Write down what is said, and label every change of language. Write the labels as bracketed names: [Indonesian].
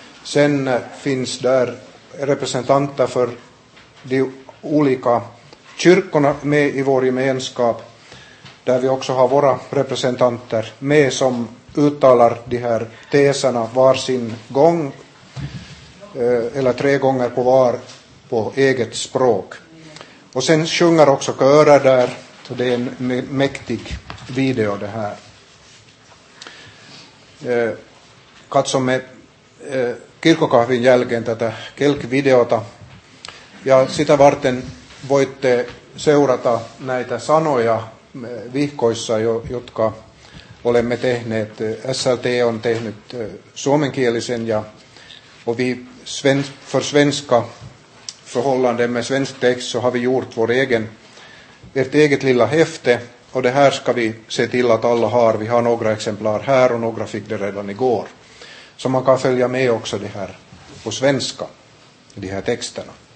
[Swedish] Sen finns där representanter för de olika kyrkorna med i vår gemenskap, där vi också har våra representanter med som uttalar de här teserna var sin gång, eller tre gånger på var, på eget språk. Och sen sjunger också körer där, så det är en mäktig video det här. [Finnish] Katsomme kirkokahvin jälkeen tätä kelkvideota, ja sitä varten voitte seurata näitä sanoja vihkoissa, jotka olemme tehneet. SLT on tehnyt suomenkielisen ja [Swedish] vi för svenska förhållanden med svensk text så har vi gjort vår egen, ert eget lilla häfte, och det här ska vi se till att alla har. Vi har några exemplar här och några fick det redan igår. Så man kan följa med också det här på svenska, de här texterna.